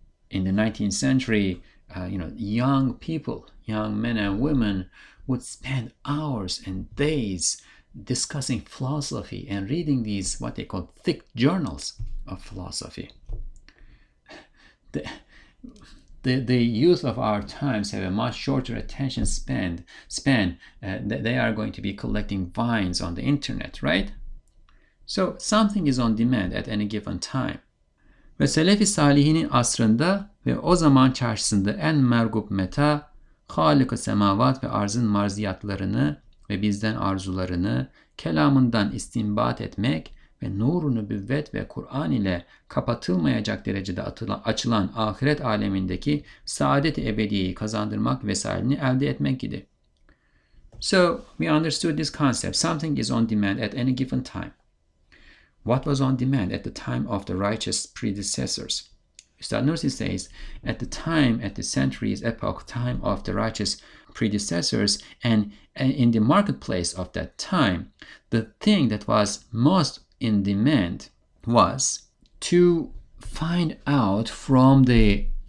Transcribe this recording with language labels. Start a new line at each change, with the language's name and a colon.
English: In the 19th century, young people, young men and women, would spend hours and days discussing philosophy and reading these, what they call, thick journals of philosophy. The youth of our times have a much shorter attention span. They are going to be collecting vines on the internet, right? So something is on demand at any given time.
Turkish: Ve Selefi Salihinin asrında ve o zaman çarşısında en mergup meta, Halik-ı semavat ve arzın marziyatlarını ve bizden arzularını kelamından istinbat etmek ve nuru büvvet ve Kur'an ile kapatılmayacak derecede açılan ahiret alemindeki saadet-i ebediyeyi kazandırmak vesaireni elde etmek idi.
English: So, we understood this concept. Something is on demand at any given time. What was on demand at the time of the righteous predecessors? Üstad Nursi says, at the time, at the centuries, epoch, time of the righteous predecessors, and in the marketplace of that time, the thing that was most in demand was to find out from the